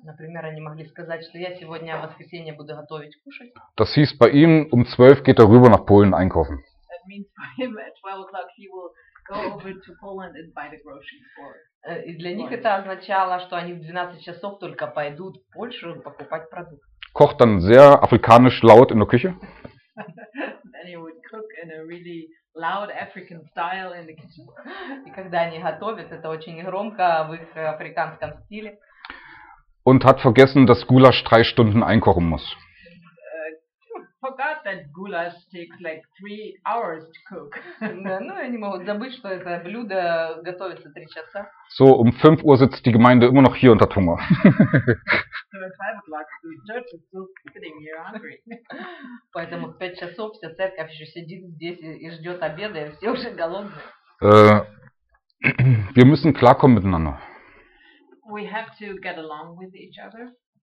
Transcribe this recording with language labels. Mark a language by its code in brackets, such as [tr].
[ru] Например, они могли сказать, что я сегодня в воскресенье буду готовить кушать. [de] Das hieß, bei ihm um 12 geht er rüber nach Polen einkaufen. [en] That means for him at 12 o'clock he will go over to Poland and buy the groceries for us. [ru] И для них это означало, что они в 12 часов только пойдут в Польшу покупать продукты. [de] Kocht dann sehr afrikanisch laut in der Küche. [en] Then he would cook in a really loud African style in the kitchen. [ru] И когда они готовят, это очень громко в их африканском стиле. [de] Und hat vergessen, dass Gulasch 3 Stunden einkochen muss. [en] Forgot that goulash takes like 3 hours to cook. [ru] Ну, они могут забыть, что это блюдо готовится 3 часа. [de] So, um 5 Uhr sitzt die Gemeinde immer noch hier und hat Hunger. [en] So, at 5 o'clock, the church is still sitting here hungry. [ru] Поэтому в 5 часов вся церковь еще сидит здесь и ждет обеда, и все уже голодны. [de] Wir müssen klarkommen miteinander. [en] We have to get along with each other.